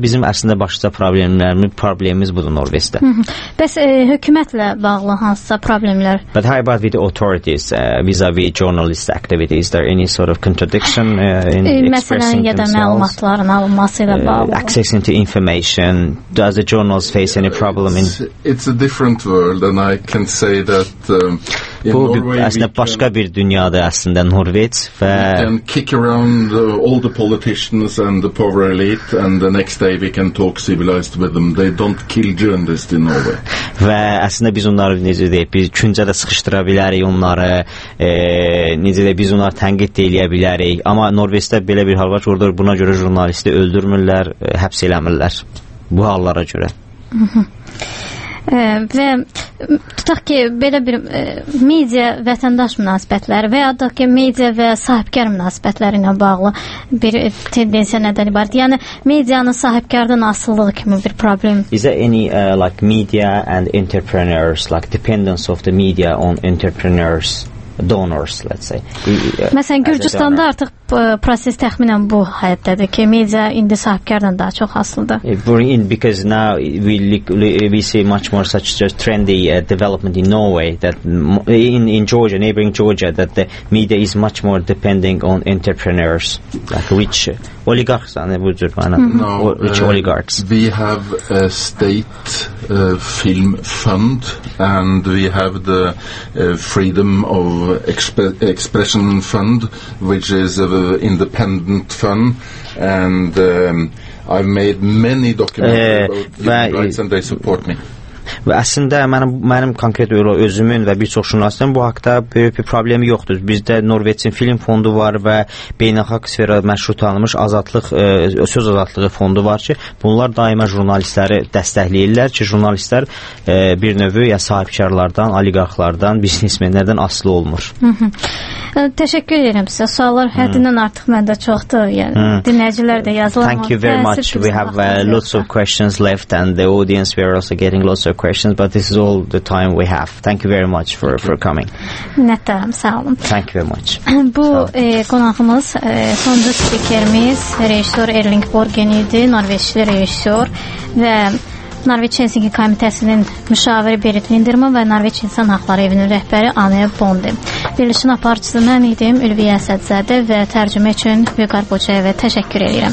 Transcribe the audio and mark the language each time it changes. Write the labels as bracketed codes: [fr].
[az] Bizim əslində başlıca problemimiz budur Norveçdə. Bəs hökumətlə bağlı hansısa problemlər? [en] But how about with the authorities vis-a-vis journalist activity? Is there any sort of contradiction in expressing themselves? [az] Məsələn, ya da məlumatların alınması ilə bağlı. [en] Accessing to information. Does the journalist face any problem in... It's a different world and I can say that [az] bu, əslində, başqa bir dünyadır əslində, Norveç və... [en] We can kick around all the politicians and the power elite and the next day we can talk civilized with them. They don't kill journalists in Norway. [az] Və əslində, biz onları, necə deyək, biz küncədə sıxışdıra bilərik onları, necə deyək, biz onları tənqid deyə bilərik. Amma Norveçdə belə bir hal var ki, orada buna görə jurnalisti öldürmürlər, həbs eləmirlər bu hallara görə. Və tutaq ki, belə bir media vətəndaş münasibətləri və ya da ki, media və sahibkar münasibətləri ilə bağlı bir tendensiya nədən ibarət? Yəni, medianın sahibkardan asılılığı kimi bir problem. [en] Is there any, like, media and entrepreneurs, like, dependence of the media on entrepreneurs, donors, let's say? [az] Məsələn, Gürcüstanda artıq proses təxminən bu həyatdadır ki, media indi sahibkardan daha çox asılıdır. [en] Because now we see much more such a trendy development in Norway that in Georgia, neighboring Georgia, that the media is much more depending on entrepreneurs, like rich oligarchs. Oligarchs. We have a state film fund and we have the freedom of expression fund, which is a independent fund and I've made many documentaries about the rights and they support me. [az] Və əslində mənim konkret özümün və bir çox şunasının bu haqda böyük bir problemi yoxdur. Bizdə Norveçin film fondu var və beynəlxalq sferada məşhur tanınmış azadlıq, söz azadlığı fondu var ki, bunlar daima jurnalistləri dəstəkləyirlər ki, jurnalistlər bir növü ya sahibkarlardan, oliqarxlardan, biznesmenlərdən asılı olmur. Təşəkkür edirəm sizə. Suallar həddindən artıq məndə çoxdur. Dinləyicilər də yazılar. [en] Thank you very much. We have lots of questions left and the audience, we are also getting lots of questions, but this is all the time we have. Thank you very much for coming. [az] Minnətdarım, sağ olun. [en] Thank you very much. [az] Bu qonağımız, sonuncu spikerimiz rejissor Erling Borgen idi, Norveçli rejissor və Norveç Helsinki Komitəsinin müşaviri Berit Lindermann və Norveç İnsan Haqları Evinin rəhbəri Anne Bondi. Verilişin aparıcısı mən idim, Ülviyə Əsədzadə və tərcümə üçün Vüqar Bocayevə təşəkkür edirəm.